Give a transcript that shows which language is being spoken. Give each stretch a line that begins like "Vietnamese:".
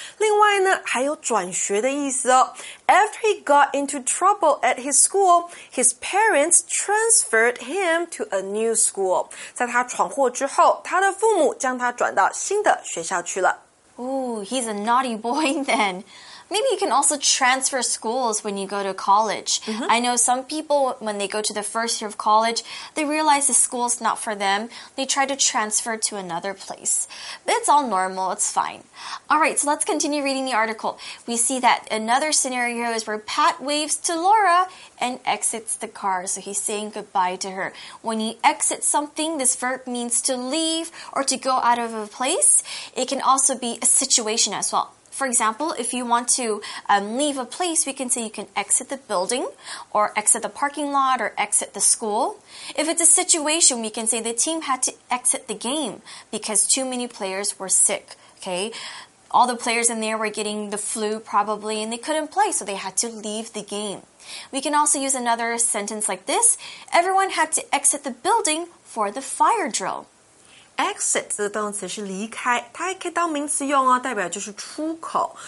Chinese: 另外呢，还有转学的意思哦。
English: After he got into trouble at his school, his parents transferred him to a new school。
Chinese: 在他闯祸之后，他的父母将他转到新的学校去了。
English: Ooh, he's a naughty boy then. Maybe you can also transfer schools when you go to college. Mm-hmm. I know some people, when they go to the first year of college, they realize the school's not for them. They try to transfer to another place. But it's all normal. It's fine. All right, so let's continue reading the article. We see that another scenario is where Pat waves to Laura and exits the car. So he's saying goodbye to her. When he exits something, this verb means to leave or to go out of a place. It can also be a situation as well. For example, if you want to leave a place, we can say you can exit the building or exit the parking lot or exit the school. If it's a situation, we can say the team had to exit the game because too many players were sick. Okay, all the players in there were getting the flu probably and they couldn't play, so they had to leave the game. We can also use another sentence like this. Everyone had to exit the building for the fire drill.
Chinese: Exit 这个动词是离开，它还可以当名词用哦，代表就是出口。